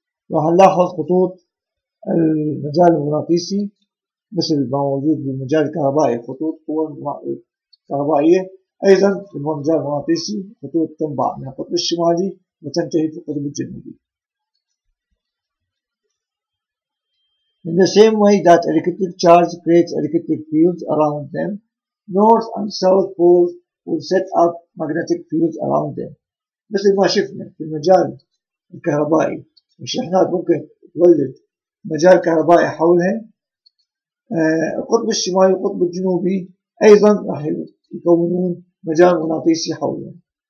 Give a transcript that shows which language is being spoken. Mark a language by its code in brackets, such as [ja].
[ar] راح نلاحظ خطوط المجال المغناطيسي مثل ما موجود بالمجال الكهربائي خطوط قوى كهربائية، أيضا في المجال المغناطيسي خطوط تنبع من القطب الشمالي وتنتهي في القطب الجنوبي. [en] In the same way that electric charge creates electric fields around them, north and south poles will set up magnetic fields around them. [ar] مثل ما شفنا في المجال الكهربائي الشحنات ممكن تولد مجال كهربائي حولها، القطب الشمالي والقطب الجنوبي أيضا راح يكونون مجال مغناطيسي حولهم.